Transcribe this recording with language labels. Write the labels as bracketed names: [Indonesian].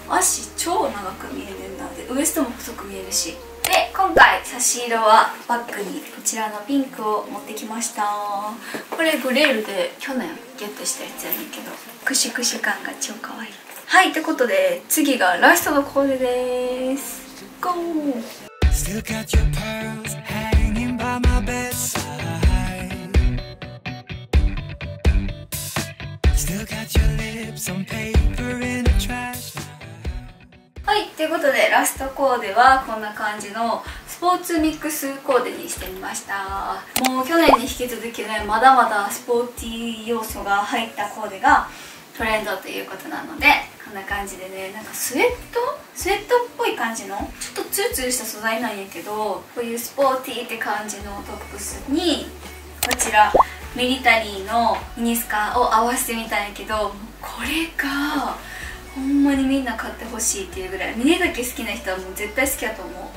[Japanese] 足超長く見えるんだ、でウエストも細く見えるし。で、今回差し色はバッグにこちらのピンクを持ってきました。これグレールで去年ゲットしたやつやねんけど、クシュクシュ感が超かわいい。はい、ってことで次がラストのコーデでーす。ゴー。 [English] Still got your pearls hanging by my bedside. Still got your lips on paper in a trash. [Japanese] はい、ということでラストコーデはこんな感じのスポーツミックスコーデにしてみました。もう去年に引き続きね、まだまだスポーティー要素が入ったコーデがトレンドということなので、こんな感じでね、なんかスウェットっぽい感じのちょっとツルツルした素材なんやけど、こういうスポーティーって感じのトップスにこちらミリタリーのミニスカを合わせてみたんやけど、これがほんまにみんな買ってほしいっていうぐらい、峰だけ好きな人はもう絶対好きやと思う